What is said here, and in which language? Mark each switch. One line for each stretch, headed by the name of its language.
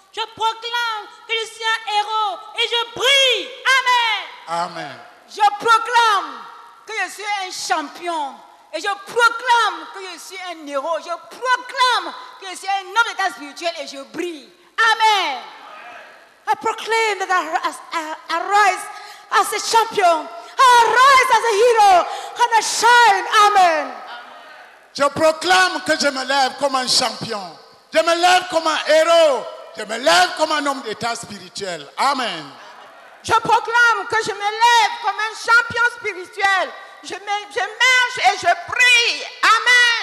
French: Je proclame que je suis un héros et je brille. Amen. Amen. Je proclame que je suis un champion. Et je proclame que je suis un héros. Je proclame que je suis un homme d'état spirituel et je brille. Amen.
English: I proclaim that I arise as a champion. I arise as a hero and I shine. Amen.
French: Je proclame que je me lève comme un champion. Je me lève comme un héros. Je me lève comme un homme d'état spirituel. Amen. Je proclame que je me lève comme un champion spirituel. Je marche et je prie. Amen.